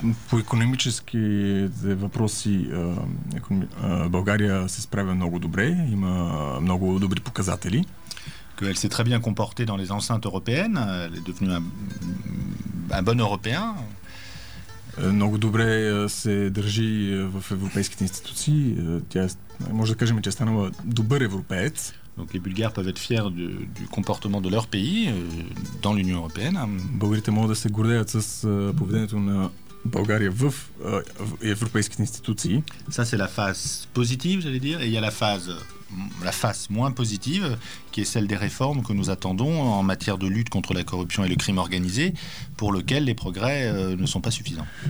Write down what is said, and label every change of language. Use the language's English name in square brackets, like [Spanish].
[Bulgarian] По икономическите въпроси България се справя много добре. Има много добри показатели. [French] Qu'elle s'est très bien comportée dans les enceintes européennes. Elle est devenue un bon européen. [Bulgarian] Много добре се държи в европейските институции. Тя може да кажем, че станала добър европеец. [French] Donc les Bulgares peuvent être fiers du comportement de leur pays dans l'Union européenne. [Bulgarian] Българите могат да се гордеят с поведението на България в европейските институции. [French] Ça c'est la face positive, j'allais dire, et il y a la face moins positive, qui est celle des réformes que nous attendons en matière de lutte contre la corruption et le crime organisé, pour lequel les progrès ne sont pas suffisants.